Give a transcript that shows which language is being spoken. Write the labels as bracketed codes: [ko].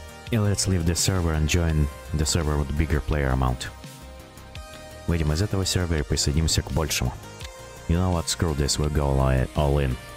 [en] И let's leave the server and join the server with bigger player amount. [ru] Выйдем из этого сервера и присоединимся к большему. [en] You know what, screw this, we go all in.